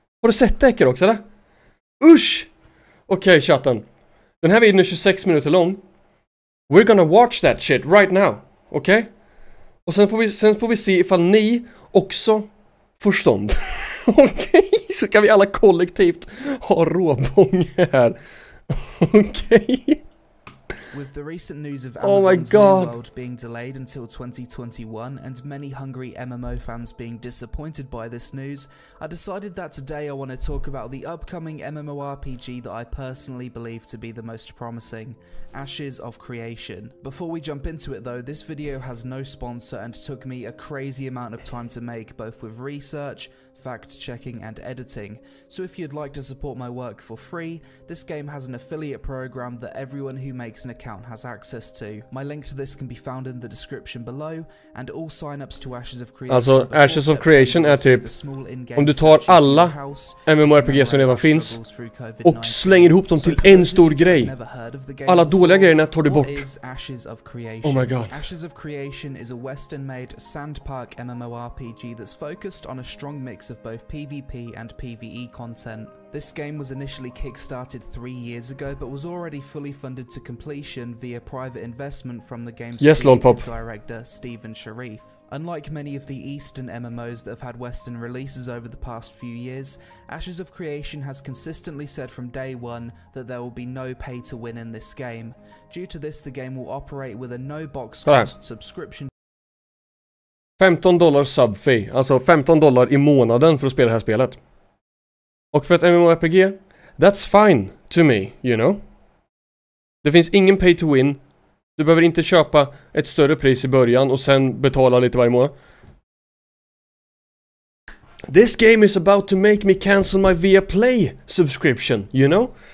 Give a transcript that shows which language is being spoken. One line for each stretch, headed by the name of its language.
Swedish: Har du sett däcker också, eller? Usch! Okej, chatten. Den här videon är 26 minuter lång.
English: We're gonna watch that shit right now.
Swedish: Okej?
English: Okay?
Swedish: Och sen får vi se ifall ni också får stånd. Okej?
English: Okay?
Swedish: Så kan vi alla kollektivt ha råbång här. Okej?
English: Okay? With the recent news of Amazon's new world being delayed until 2021 and many hungry MMO fans being disappointed by this news, I decided that today I want to talk about the upcoming MMORPG that I personally believe to be the most promising, Ashes of Creation. Before we jump into it though, this video has no sponsor and took me a crazy amount of time to make, both with research, fact-checking and editing, so if you'd like to support my work for free, this game has an affiliate program that everyone who makes an account has access to. My link to this can be found in the description below, and all signups to Ashes of Creation...
Swedish: Alltså, Ashes of Creation är typ... Om du tar alla MMORPG som redan finns och slänger ihop dem till en stor grej. Alla dåliga grejerna tar du bort.
English: Oh my god. Ashes of Creation is a western-made sandpark MMORPG that's focused on a strong mix of both PvP and PvE content. This game was initially kickstarted 3 years ago, but was already fully funded to completion via private investment from the game's creative director, Stephen Sharif. Unlike many of the Eastern MMOs that have had Western releases over the past few years, Ashes of Creation has consistently said from day one that there will be no pay to win in this game. Due to this, the game will operate with a no box cost subscription. $15 sub fee,
Swedish: alltså $15 i månaden för att spela det här spelet. Och för ett MMORPG,
English: that's fine to me, you know.
Swedish: Det finns ingen pay to win. Du behöver inte köpa ett större pris i början och sen betala lite varje månad.
English: This game is about to make me cancel my Viaplay subscription, you know.